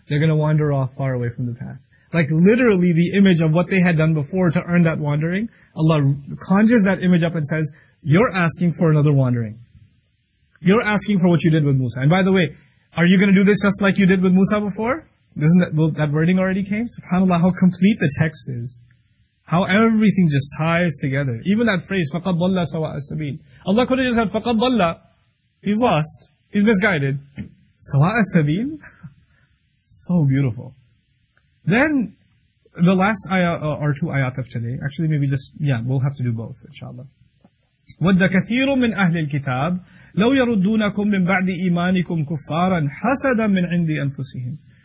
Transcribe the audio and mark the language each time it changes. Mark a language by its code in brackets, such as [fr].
[en] They're going to wander off far away from the path. Like literally the image of what they had done before to earn that wandering, Allah conjures that image up and says, you're asking for another wandering. You're asking for what you did with Musa. And by the way, are you going to do this just like you did with Musa before? Isn't that, well, that wording already came? SubhanAllah, how complete the text is. How everything just ties together. Even that phrase, [ar] فَقَدْ ضَلَّ سَوَاءَ السَّبِيلِ. [en] Allah could have just said, [ar] فَقَدْ ضَلَّ. [en] He's lost. He's misguided. Sawa'a sabil? So beautiful. Then, the last ayah, or two ayat of today, actually maybe just, yeah, we'll have to do both, inshallah. [ar] وَدَّ كَثِيرٌ مِّنْ أَهْلِ الْكِتَابِ لَوْ يَرُدُّونَكُمْ مِّنْ بَعْدِ إِيمَانِكُمْ كُفَّارًا حَسَدًا مِّنْ عِنْدِ أَنفُسِهِمْ.